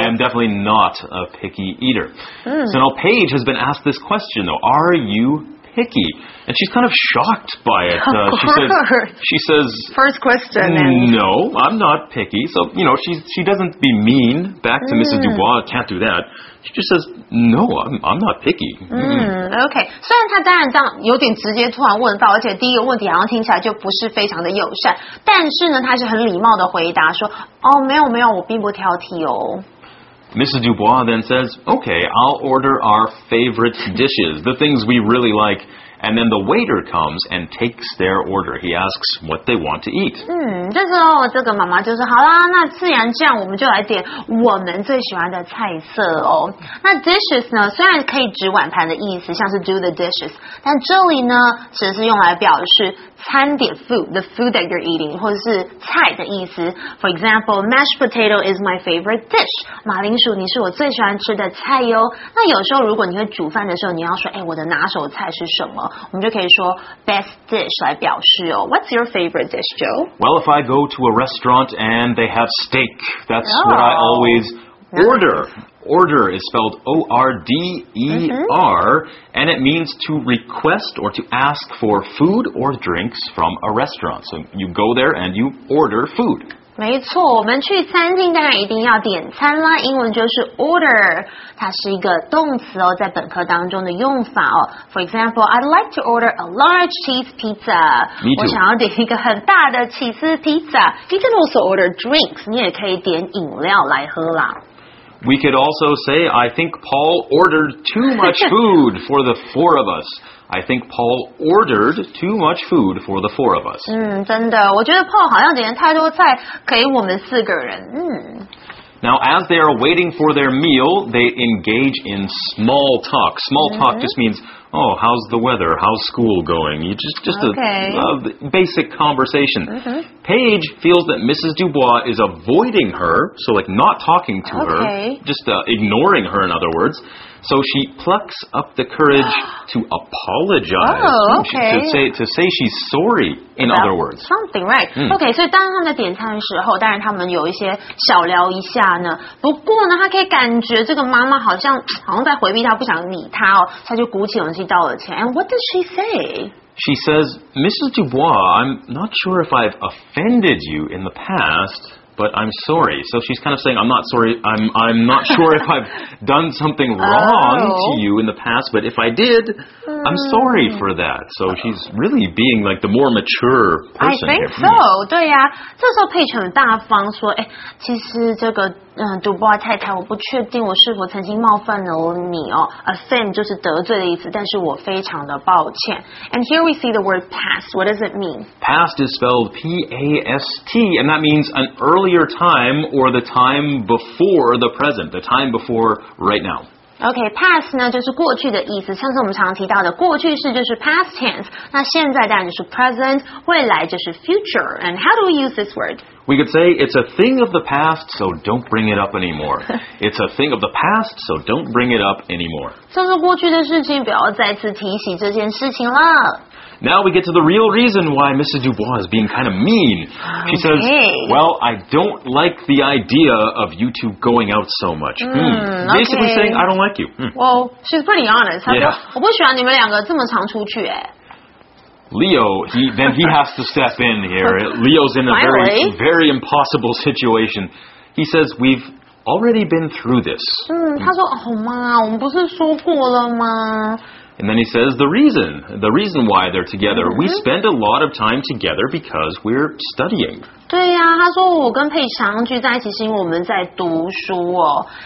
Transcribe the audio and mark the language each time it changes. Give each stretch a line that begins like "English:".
English: I am definitely not a picky eater.、Mm. So now Paige has been asked this question though: Are you picky? And she's kind of shocked by it. She says, first question. No, I'm not picky. So, you know, she doesn't be mean back to Mrs. Dubois. Can't do that. She just says, no, I'm not picky. Okay.
Chinese: 虽然她当然这样有点直接突然问到，而且第一个问题好像听起来就不是非常的友善，但是呢，她是很礼貌的回答说，哦，没有没有，我并不挑剔哦。
English: Mrs. Dubois then says, okay, I'll order our favorite dishes, the things we really like. And then the waiter comes and takes their order. He asks what they want to eat.
Chinese: 这时候这个妈妈就说，好啦，那既然这样，我们就来点我们最喜欢的菜色哦。那 dishes 呢，虽然可以指碗盘的意思，像是
English: do the dishes,
Chinese: 但这里呢，只是用来表示餐点
English: food, the food that you're eating,
Chinese: 或者是菜的意思。
English: For example, mashed potato is my favorite dish.
Chinese: 马铃薯你是我最喜欢吃的菜哟。那有时候如果你会煮饭的时候，你要说，哎，我的拿手菜是什么？我们就可以说 best dish 来表示哦。
English: What's your favorite dish, Joe? Well, if I go to a restaurant and they have steak, that's what I always order. Order is spelled O-R-D-E-R, and it means to request or to ask for food or drinks from a restaurant. So you go there and you order food.
Chinese: 没错，我们去餐厅当然一定要点餐啦，英文就是 order， 它是一个动词哦，在本科当中的用法哦。
English: For example, I'd like to order a large cheese pizza. Me too.
Chinese: 我想要点一个很大的起司披萨。
English: You can also order drinks.
Chinese: 你也可以点饮料来喝啦。
English: We could also say, I think Paul ordered too much food for the four of us. I think Paul ordered too much food for the four of us.
Chinese: 真的，我觉得 Paul 好像点太多菜给我们四个人。
English: Now, as they are waiting for their meal, they engage in small talk. Small talk just means, oh, how's the weather? How's school going? A basic conversation. Mm-hmm. Paige feels that Mrs. Dubois is avoiding her, so like not talking to her, just ignoring her, in other words. So she plucks up the courage to apologize. To say she's sorry, in other words. Something, right. Okay, so
Chinese: 当他们点餐的时候，当然他们有一些小聊一下呢。不过呢，他可以感觉这个妈妈好像在回避他，不想理他哦。他就鼓起勇气道了歉。
English: And what does she say? She says, Mrs. Dubois, I'm not sure if I've offended you in the past, but I'm sorry. So she's kind of saying, I'm not sorry, I'm not sure if I've done something wrong to you in the past, but if I did, I'm sorry for that. So she's really being like the more mature person. I think so,
Chinese: 对呀、啊。这时候 Paige 很大方说，哎，其实这个赌博太太，我不确定我是否曾经冒犯了你哦。 Offend 就是得罪的意思，但是我非常的抱歉。
English: And here we see the word past. What does it mean? Past is spelled P-A-S-T, and that means an earlier time or the time before the present, the time before right now.
Chinese: OK, past 呢就是过去的意思，像是我们常提到的过去式就是 past tense, 那现在当然就是 present, 未来就是 future,
English: and how do we use this word? We could say it's a thing of the past, so don't bring it up anymore. It's a thing of the past, so don't bring it up anymore.
Chinese: 像是过去的事情不要再次提起这件事情了。
English: Now we get to the real reason why Mrs. Dubois is being kind of mean. She says, well, I don't like the idea of you two going out so much. Basically saying, I don't like you. Well, she's pretty honest. Yeah.
Chinese: 我不喜欢你们两个这么常出去耶。
English: Leo, he has to step in here. Leo's in a very, very impossible situation. He says, we've already been through this.
Chinese: 他说，
English: oh, ma,
Chinese: 我们不是说过了吗？
English: And then he says, the reason why they're together,、mm-hmm. we spend a lot of time together because we're studying.
Chinese: 对呀、啊、他说我跟佩常聚在一起是因为我们在读书哦。